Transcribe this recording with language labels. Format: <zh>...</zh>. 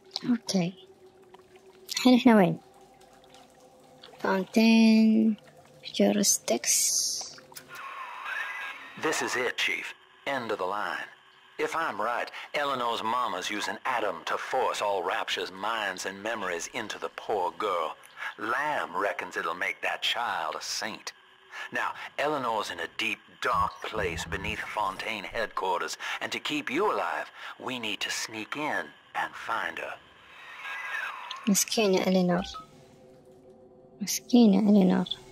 <ar>اوكي الحين احنا وين؟ فونتين جورستكس.</ar> <en>This is it, Chief. End of the line. If I'm right, Eleanor's mama's using Adam to force all Rapture's minds and memories into the poor girl. Lamb reckons it'll make that child a saint. Now, Eleanor's in a deep, dark place beneath Fontaine headquarters, and to keep you alive, we need to sneak in and find her.</en> <ar>مسكينة إلينور مسكينة إلينور.</ar>